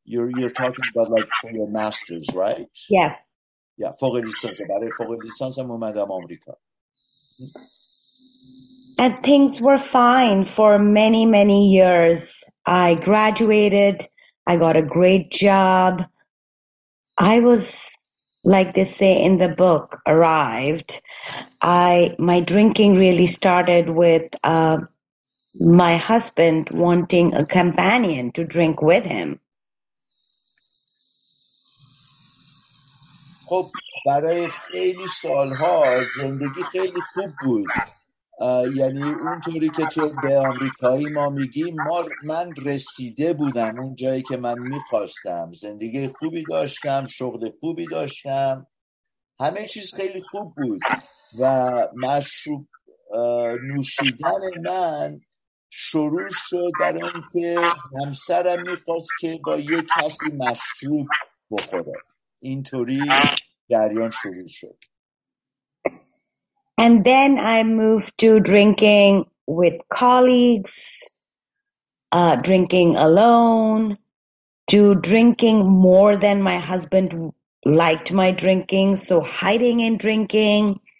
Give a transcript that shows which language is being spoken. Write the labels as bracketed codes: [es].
[en] You're talking about like for your masters, right? Yes. [fa] Yeah, فوق لیسانس. برای فوق لیسانس هم اومدم آمریکا. [en] And things were fine for many, many years. I graduated. I got a great job. I was, like they say in the book, arrived. My drinking really started with my husband wanting a companion to drink with him. [fa] خب برای خیلی سالها زندگی خیلی خوب بود. یعنی اونطوری که تو به آمریکایی ما میگی، من رسیده بودم اون جایی که من میخواستم. زندگی خوبی داشتم، شغل خوبی داشتم. همه چیز خیلی خوب بود و مشروب نوشیدن من شروع شد برای این که همسرم میخواست که با یک کسی مشروب بخوره. اینطوری دریان شروع شد. [en] And then I moved to drinking with colleagues, drinking alone, to drinking more than my husband liked my drinking, so hiding in drinking.